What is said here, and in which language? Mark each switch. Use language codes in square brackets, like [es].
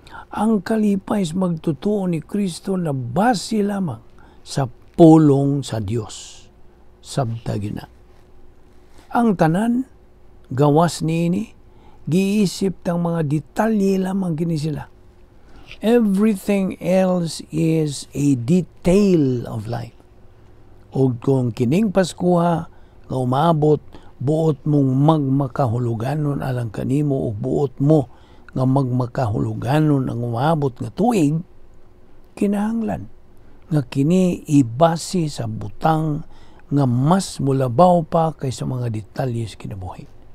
[ceb] Ang kalipay sa magtutuo ni Kristo na basi lamang sa pulong sa Dios. Sabtagi na. Ang tanan, gawas niini, giisip ng mga detalye lamang kini sila. [en] Everything else is a detail of life. [ceb] Ug kung kining Paskuha nga umabot, buot mong magmakahuluganon alang kanimo ug buot mo nga magmakahuluganon ang umabot nga tuig, kinahanglan nga kini ibasi sa butang nga mas mulabaw pa kaysa mga detalye sa kinabuhi.